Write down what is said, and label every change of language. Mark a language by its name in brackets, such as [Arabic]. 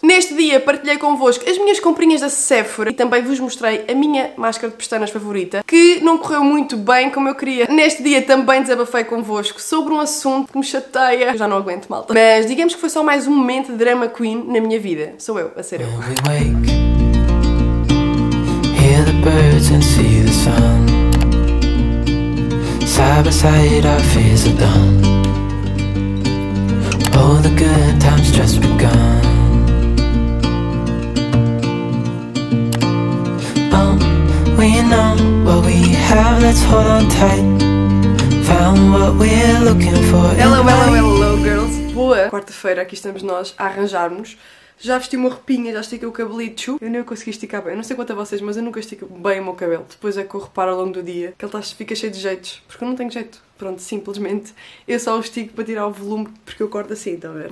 [Portuguese] Neste dia partilhei convosco as minhas comprinhas da Sephora e também vos mostrei a minha máscara de pestanas favorita, que não correu muito bem como eu queria. Neste dia também desabafei convosco sobre um assunto que me chateia. Eu já não aguento, malta. Mas digamos que foi só mais um momento de drama queen na minha vida. Sou eu, a ser eu. [English] Wake, hear the birds and see the sun. Side by side our fears are done. All the good times just begun. Oh, we know what we have, let's hold on tight. Found what we're looking for. Hello, hello, hello, girls. [Portuguese] Boa quarta-feira, aqui estamos nós a arranjar-nos. Já vesti uma roupinha, já estiquei o cabelito. Eu nem consegui esticar bem, eu não sei quanto a vocês, mas eu nunca estico bem o meu cabelo. Depois é que eu reparo ao longo do dia que ele fica cheio de jeitos, porque eu não tenho jeito. Pronto, simplesmente, eu só o estico para tirar o volume, porque eu corto assim, estão a ver?